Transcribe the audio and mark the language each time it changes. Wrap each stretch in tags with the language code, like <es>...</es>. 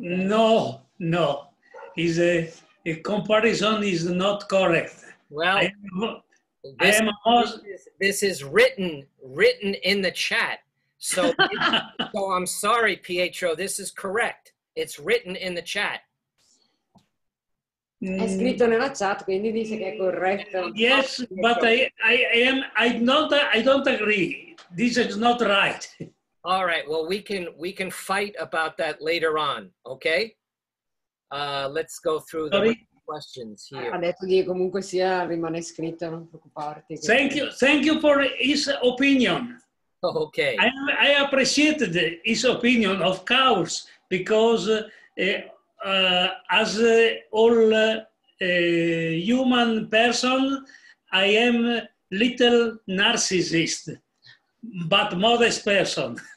<en>No. He's a comparison is not correct. Well, This is written in the chat. So, so I'm sorry, Pietro, this is correct. It's written in the chat.</en> <it>È scritto nella chat, quindi dice che è corretto.</it> <en>Yes, but I don't agree. This is not right. All right. Well, we can fight about that later on. Okay. Let's go through the questions here.</en> <it>Ha detto che comunque sia rimane scritto, non preoccuparti.</it> <en>Thank you for his opinion. Okay. I appreciated his opinion, of course, because as all human person, I am little narcissist, but modest person.</en>